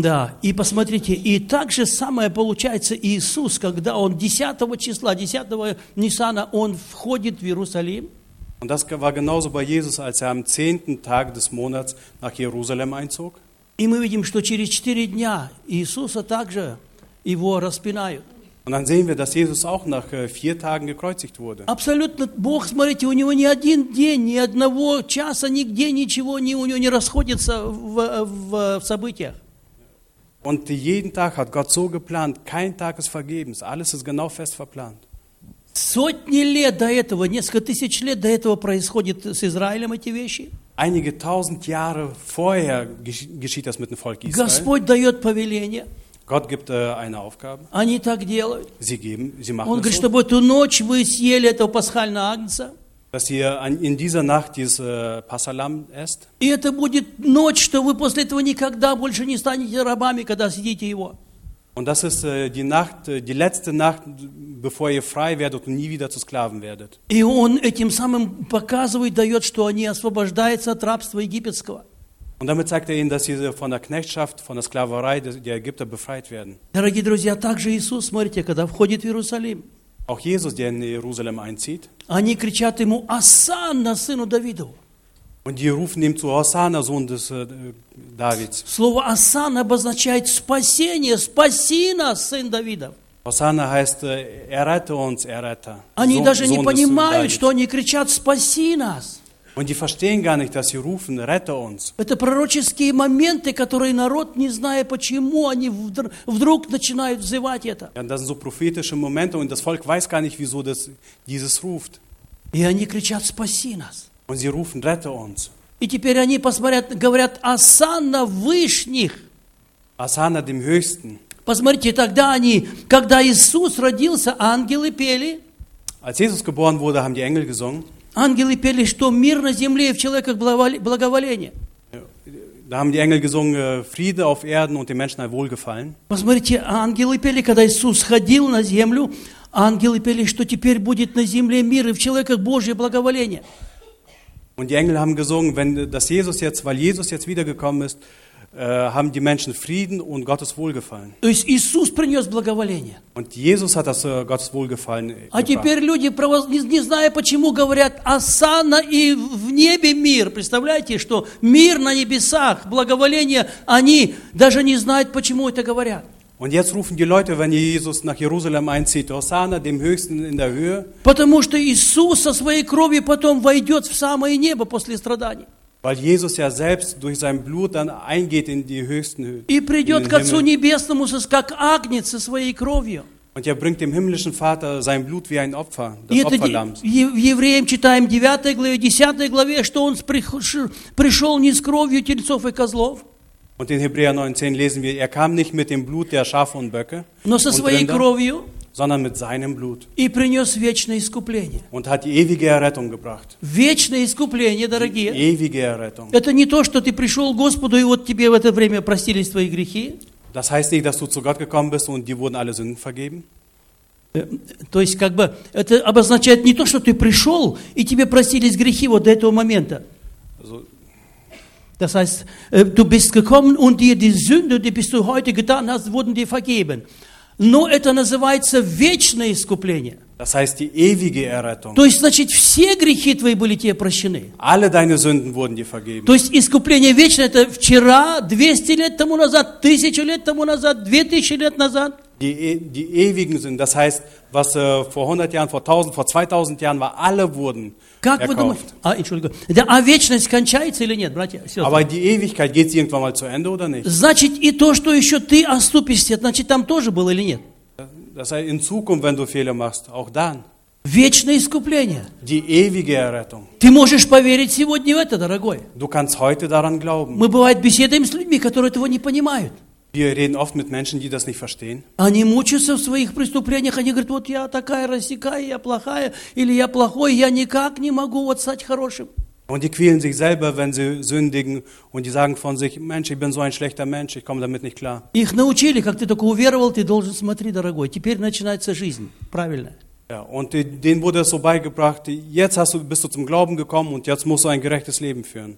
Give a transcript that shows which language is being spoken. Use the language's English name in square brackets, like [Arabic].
[Russian] Да, и посмотрите, и так же самое получается Иисус, когда он 10 числа, 10 Нисана, он входит в Иерусалим. [German] Und das war genauso bei Jesus, als am 10. Tag des Monats nach Jerusalem einzog. [Russian] И мы видим, что через 4 дня Иисуса также его распинают. [German] Und dann sehen wir, dass Jesus auch nach 4 Tagen gekreuzigt wurde. [Russian] Абсолютно, Бог, смотрите, у него ни один день, ни одного часа, нигде ничего не, у него не расходится в событиях. [German] Und jeden Tag hat Gott so geplant, kein Tag ist vergebens, alles ist genau fest verplant. [Russian] Сотни лет до этого, несколько тысяч лет до этого происходит с Израилем эти вещи. [German] Einige tausend Jahre vorher geschieht das mit dem Volk Israel. [Russian] Господь дает повеление. [German] Gott gibt eine Aufgabe. [Russian] Они так делают. [German] Sie geben, sie machen [Russian] Он [German] das [Russian] говорит, чтобы эту ночь вы съели этого пасхального агнца. [German] Dass ihr in dieser Nacht dieses Passahlamm esst. [Russian] И это будет ночь, что вы после этого никогда больше не станете рабами, когда съедите его. [German] Und das ist die Nacht, die letzte Nacht, bevor ihr frei werdet und nie wieder zu Sklaven werdet. [Russian] И он этим самым показывает, дает, что они освобождаются от рабства египетского. [German] Und damit zeigt er ihnen, dass sie von der Knechtschaft, von der Sklaverei der Ägypter befreit werden. [Russian] Дорогие друзья, также Иисус, смотрите, когда входит в Иерусалим. [German] Auch Jesus, der in Jerusalem einzieht. [Russian] Они кричат ему: «Осанна, сыну Давидову!» [German] Und die rufen ihm zu: «Осанна, [Russian] сын Давидов!» Слово «Осанна» обозначает спасение, спаси нас, сын Давидов. [German] «Осанна» heißt «Errette uns, errette!» [Russian] Они даже не понимают, что они кричат: «Спаси нас!» [German] Und die verstehen gar nicht, dass sie rufen: «Rette uns!» [Russian] Это пророческие моменты, которые народ, не зная почему, они вдруг начинают взывать это. [German] Ja, das sind so prophetische Momente, und das Volk weiß gar nicht, wieso das dieses ruft. [Russian] И они кричат: «Спаси нас!» [German] Und sie rufen: «Rette uns!» [Russian] И теперь они посмотрят, говорят: «Осанна Вышних!» [German] «Осанна, dem Höchsten!» [Russian] Посмотрите, тогда они, когда Иисус родился, ангелы пели. [German] Als Jesus geboren wurde, haben die Engel gesungen. [Russian] Ангелы пели, что мир на земле и в человеках благоволение. [German] Da haben die Engel gesungen: «Friede auf Erden und den Menschen ein Wohlgefallen». [Russian] Посмотрите, ангелы пели, когда Иисус ходил на землю, ангелы пели, что теперь будет на земле мир и в человеках Божье благоволение. [German] Und die Engel haben gesungen, wenn das Jesus jetzt, weil Jesus jetzt wiedergekommen ist, haben die Menschen Frieden und Gottes Wohlgefallen. [Russian] Иисус принес благоволение. [German] Und Jesus hat das Gottes Wohlgefallen gebracht. [Russian] А теперь люди, не зная почему, говорят: «Осанна и в небе мир». Представляете, что мир на небесах, благоволение, они даже не знают, почему это говорят. [German] Und jetzt rufen die Leute, wenn Jesus nach Jerusalem einzieht: «Осанна, dem Höchsten in der Höhe». [Russian] Потому что Иисус со своей кровью потом войдет в самое небо после страданий. [German] Weil Jesus ja selbst durch sein Blut dann eingeht in die höchsten Höhen. [Russian] И придет к Отцу Небесному, как агнец, со своей кровью. [German] Und er bringt dem himmlischen Vater sein Blut wie ein Opfer, das Opferlamm. [Russian] В Евреям читаем 9 главе, 10 главе, что он пришел не с кровью тельцов и козлов. [German] Und in Hebräer 9,10 lesen wir: Er kam nicht mit dem Blut der Schafe und Böcke, [Russian] но со своей [German] und Rinder, [Russian] кровью, [German] sondern mit seinem Blut. [Russian] И принес вечное искупление. [German] Und hat die ewige Errettung gebracht. [Russian] Вечное искупление, дорогие. [German] Die ewige Errettung. [Russian] Это не то, что ты пришел к Господу, и вот тебе в это время простились твои грехи. [German] Das heißt nicht, dass du zu Gott gekommen bist und dir wurden alle Sünden vergeben. [Russian] То есть, как бы, это обозначает не то, что ты пришел, и тебе простились грехи вот до этого момента. [German] Das heißt, du bist gekommen und dir die Sünde, die bist du heute getan hast, wurden dir vergeben. [Russian] Но это называется вечное искупление. [German] Das heißt, die ewige Errettung. [Russian] То есть, значит, все грехи твои были тебе прощены. [German] Alle deine Sünden wurden dir vergeben. [Russian] То есть, искупление вечное – это вчера, 200 лет тому назад, 1000 лет тому назад, 2000 лет назад. [German] Die ewigen Sünden, das heißt, was vor 100 Jahren, vor 1000, vor 2000 Jahren war, alle wurden [Russian] как [German] erkauft. [Russian] Вы думаете, [German] Entschuldigung, [Russian] а вечность кончается или нет, братья? Сестры? [German] Aber die Ewigkeit, geht sie irgendwann mal zu Ende oder nicht? [Russian] Значит, и то, что еще ты оступишься, значит, там тоже было или нет? [German] Das heißt, in Zukunft, wenn du Fehler machst, auch dann. [Russian] Вечное искупление. [German] Die ewige Errettung. [Russian] Ты можешь поверить сегодня в это, дорогой. [German] Du kannst heute daran glauben. [Russian] Мы бывает беседуем с людьми, которые этого не понимают. [German] Wir reden oft mit Menschen, die das nicht verstehen. [Russian] Они мучаются в своих преступлениях, они говорят: вот я такая, рассекая, я плохая, или я плохой, я никак не могу вот стать хорошим. [German] Und die quälen sich selber, wenn sie sündigen, und die sagen von sich: Mensch, ich bin so ein schlechter Mensch, ich komme damit nicht klar. [Russian] Их научили, как ты только уверовал, ты должен смотри, дорогой. Теперь начинается жизнь, правильно? [German] Ja, und denen wurde es so beigebracht: Jetzt bist du zum Glauben gekommen und jetzt musst du ein gerechtes Leben führen.